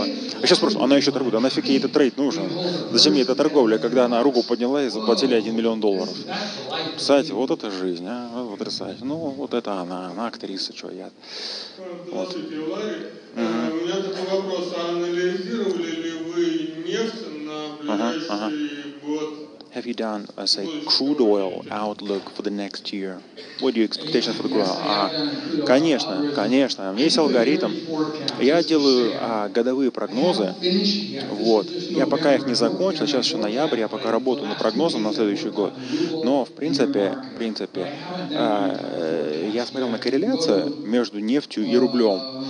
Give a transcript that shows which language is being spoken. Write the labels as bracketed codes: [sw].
[ru] А сейчас спрошу, она еще торгует. А нафиг ей этот трейд нужен? Зачем ей эта торговля, когда она руку подняла и заплатили 1 миллион долларов? Представляете? Вот это жизнь. А? Вот потрясающе. Ну, вот это она. Она актриса. Чего я? Вот. У меня такой вопрос. Анализировали ли вы нефть на ближайший год? [en] have you done as a crude oil outlook for the next year? What are your expectations for the crude oil? [ru] Конечно, конечно. У меня есть алгоритм. Я делаю годовые прогнозы. Вот. Я пока их не закончил. Сейчас еще ноябрь. Я пока работаю над прогнозом на следующий год. Но, в принципе, я смотрел на корреляцию между нефтью и рублем.